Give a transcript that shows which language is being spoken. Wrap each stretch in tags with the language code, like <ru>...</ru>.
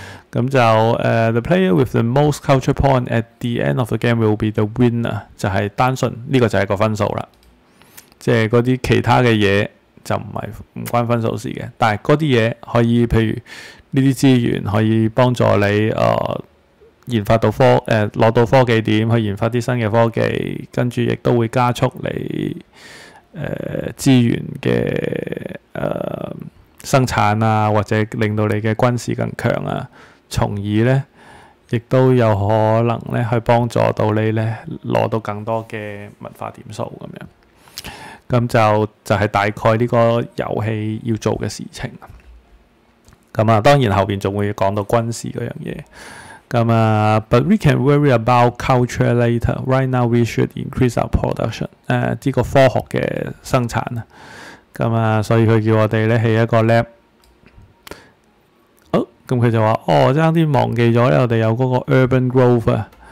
<en>咁就 the player with the most culture point at the end of the game will be the winner，就係單純呢個就係個分數啦。</en> <yue>即係嗰啲其他嘅嘢就唔關分數事嘅，但係嗰啲嘢可以，譬如呢啲資源可以幫助你研發到攞到科技點去研發啲新嘅科技，跟住亦都會加速你資源嘅生產啊，或者令到你嘅軍事更強啊，從而咧亦都有可能咧去幫助到你咧攞到更多嘅文化點數咁樣。咁就是大概呢個遊戲要做嘅事情。咁啊，當然後邊仲會講到軍事嗰樣嘢。</yue> <en>咁啊，but we can worry about culture later. Right now we should increase our production. 呢個科學嘅生產啊。</en> <yue>咁啊，所以佢叫我哋咧起一個 lab。哦，咁佢就話：哦，差啲忘記咗咧，我哋有嗰個 urban growth 啊。</yue>